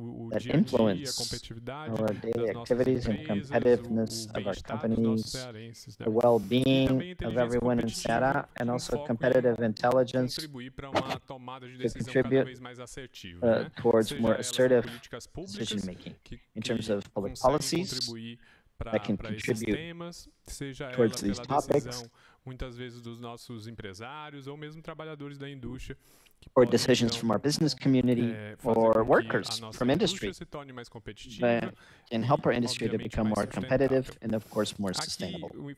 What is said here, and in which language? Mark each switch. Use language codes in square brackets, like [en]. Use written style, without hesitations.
[en] that influence our daily activities and competitiveness of our companies, the well-being of everyone in SEBA, and also competitive intelligence to contribute towards more assertive decision-making in terms of public policies that can contribute towards these topics, [pt] muitas vezes dos nossos empresários ou mesmo trabalhadores da indústria, [en] or decisions from our business community or workers from industry that can help our industry to become more competitive and, of course, more sustainable.